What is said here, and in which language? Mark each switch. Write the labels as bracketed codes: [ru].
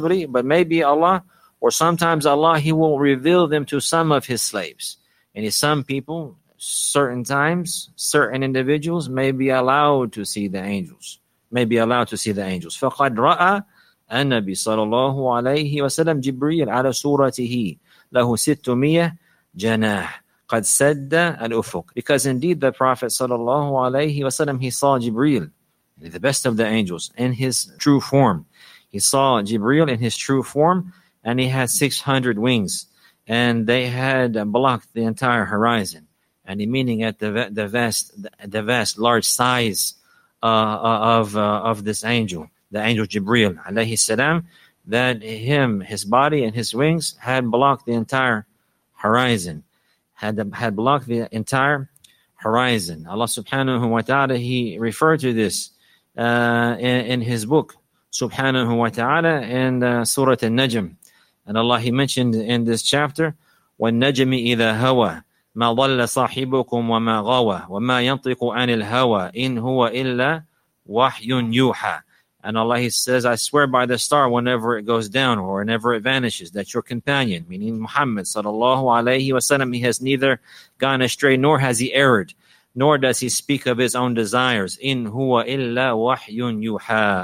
[en] But maybe Allah, or sometimes Allah, He will reveal them to some of His slaves. And some people, certain times, certain individuals may be allowed to see the angels. May be allowed to see the angels. [ar] فَقَدْ رَأَى النبي صلى الله عليه وسلم جبريل على صورته له 600 جناح قد سد الأفق. [en] Because indeed the Prophet صلى الله عليه وسلم, he saw Jibril, the best of the angels, in his true form. He saw Jibril in his true form, and he had 600 wings, and they had blocked the entire horizon. And meaning at the vast large size of this angel, the angel Jibril alayhi salam, that his body and his wings had blocked the entire horizon, had blocked the entire horizon. Allah subhanahu wa ta'ala, he referred to this in his book subhanahu wa ta'ala in Surah An-Najm. And Allah, he mentioned in this chapter, [ar] وَالنَّجْمِ إِذَا هَوَى مَا ضَلَّ صَاحِبُكُمْ وَمَا غَوَى وَمَا يَنطِقُ عَنِ الْهَوَى إِنْ هُوَ إِلَّا وَحْيٌ يُوحَى. [en] And Allah, he says, I swear by the star whenever it goes down or whenever it vanishes, that your companion, meaning Muhammad sallallahu alayhi wa sallam, he has neither gone astray nor has he erred, nor does he speak of his own desires. [ar] إِنْ هُوَ إِلَّا وَحْيٌ يُوحَى.